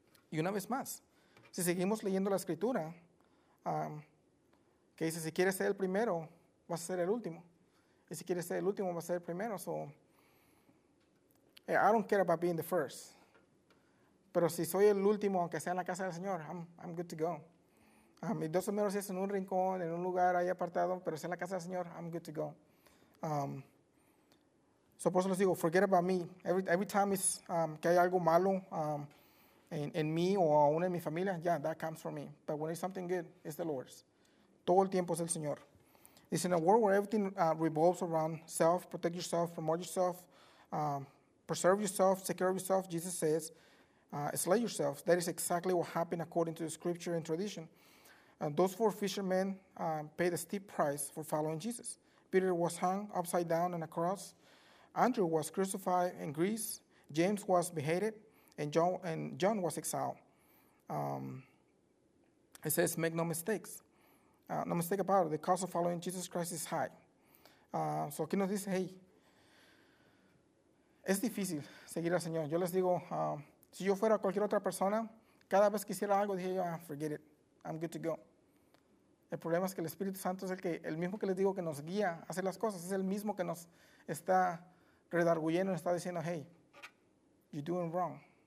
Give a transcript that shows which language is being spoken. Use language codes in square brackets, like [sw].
[es] Y una vez más, si seguimos leyendo la Escritura, que dice, si quieres ser el primero, vas a ser el último. Y si quieres ser el último, vas a ser el primero. [en] So, I don't care about being the first. [es] Pero si soy el último, aunque sea en la casa del Señor, [en] I'm good to go. [es] Y dos o menos si es en un rincón, en un lugar ahí apartado, pero si en la casa del Señor, [en] I'm good to go. [es] So por eso les digo, [en] forget about me. Every time is, [es] que hay algo malo en mí o aún en mi familia, [en] yeah, that comes from me. But when it's something good, it's the Lord's. [es] Todo el tiempo es el Señor. [en] It's in a world where everything revolves around self, protect yourself, promote yourself, preserve yourself, take care of yourself, Jesus says, slay yourself. That is exactly what happened according to the scripture and tradition. Those four fishermen paid a steep price for following Jesus. Peter was hung upside down on a cross. Andrew was crucified in Greece. James was beheaded. And John was exiled. It says, make no mistakes. No mistake about it, the cost of following Jesus Christ is high. [es] So aquí nos dice, hey, es difícil seguir al Señor. Yo les digo, si yo fuera cualquier otra persona, cada vez que hiciera algo, dije, ah, [en] forget it, I'm good to go. [es] El problema es que el Espíritu Santo es el mismo que les digo que nos guía a hacer las cosas, es el mismo que nos está redarguyendo, está diciendo, hey, [en] you're doing wrong.